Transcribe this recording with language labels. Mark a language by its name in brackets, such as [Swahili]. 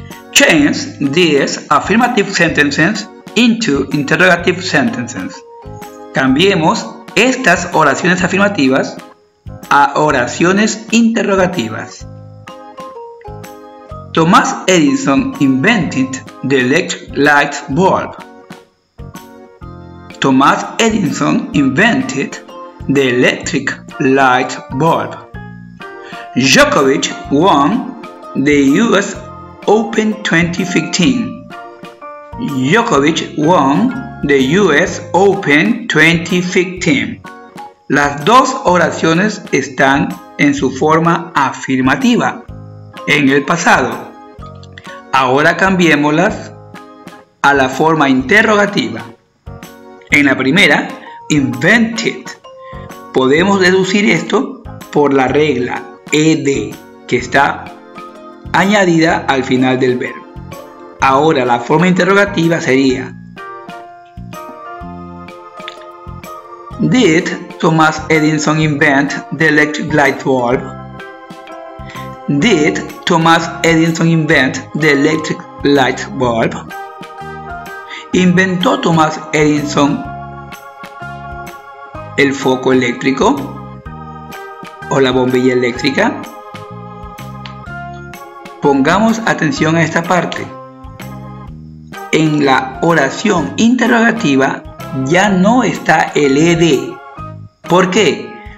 [English] Change these affirmative sentences into interrogative sentences. [Spanish] Cambiemos estas oraciones afirmativas a oraciones interrogativas. [English] Thomas Edison invented the electric light bulb. Thomas Edison invented the electric light bulb. Djokovic won the US Open 2015. Djokovic won the US Open 2015. [Spanish] Las dos oraciones están en su forma afirmativa, en el pasado. Ahora cambiémoslas a la forma interrogativa. En la primera, invented. Podemos deducir esto por la regla ED, que está añadida al final del verbo. Ahora la forma interrogativa sería: [English] Did Thomas Edison invent the electric light bulb? Did Thomas Edison invent the electric light bulb? [Spanish] ¿Inventó Thomas Edison el foco eléctrico o la bombilla eléctrica? Pongamos atención a esta parte. En la oración interrogativa ya no está el ED. ¿Por qué?